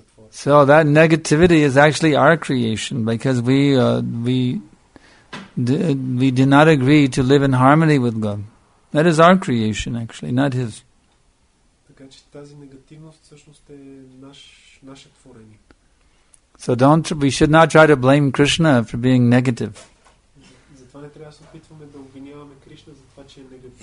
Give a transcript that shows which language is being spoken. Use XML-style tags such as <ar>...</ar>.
<en>So that negativity is actually our creation because we did not agree to live in harmony with God. That is our creation actually, not His.</en> <bg>Така че тази негативност всъщност е наше творение.</bg> <en>So don't we should not try to blame Krishna for being negative.</en> <bg>Затова не трябва да се опитваме да обвиняваме Кришна за това, че е негатив.</bg>